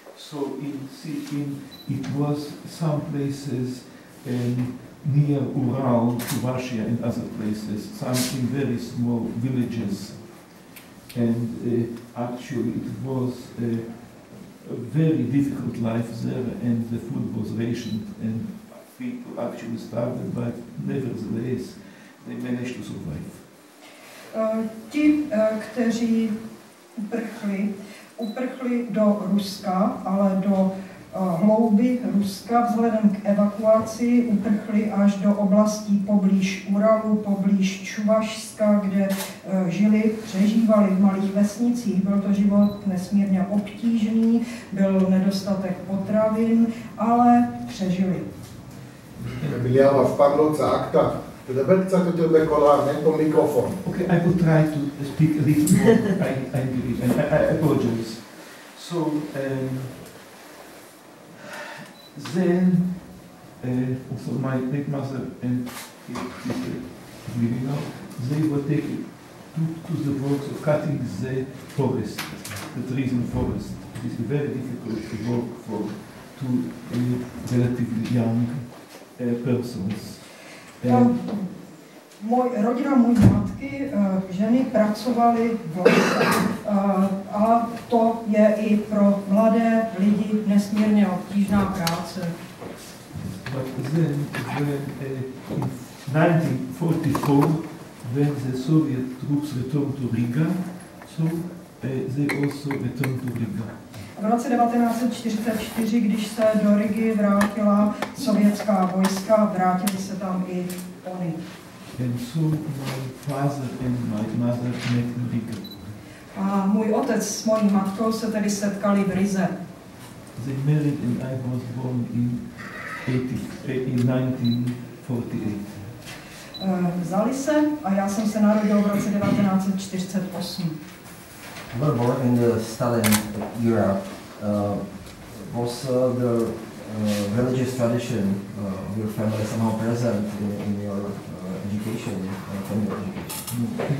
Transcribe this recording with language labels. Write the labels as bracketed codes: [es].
[en] So in Sikkim, it was some places near Ural, Russia, and other places, some in very small villages. And actually, it was a very difficult life there, and the food was rationed, and people actually starved, but nevertheless, they managed to survive. [cs] Ti, kteří uprchli do Ruska, ale do hlouby Ruska, vzhledem k evakuaci, uprchli až do oblastí poblíž Uralu, poblíž Čuvašska, kde žili, přežívali v malých vesnicích. Byl to život nesmírně obtížný, byl nedostatek potravin, ale přežili. Emiliana v Pavlovce, Akta. [en] Okay, I will try to speak a little more. I apologize. So then, also my great mother and sister, Mirina, they were taken to the work of cutting the forest, the trees in the forest. It is very difficult to work for two relatively young persons. [cs] Můj rodina, můj matky, ženy pracovaly v lese a to je i pro mladé lidi nesmírně obtížná práce. [en] But then, when, in 1944, when the Soviet troops returned to Riga, so they also returned to Riga. [cs] V roce 1944, když se do Rigy vrátila sovětská vojska, vrátili se tam i oni. [en] And so my father and my mother met in Riga. [cs] A můj otec s mojí matkou se tedy setkali v Rize. [en] They married and I was born in 1948. [cs] Vzali se a já jsem se narodil v roce 1948. [en] We were born in the Stalin era. Was the religious tradition of your family somehow present in your education, family education?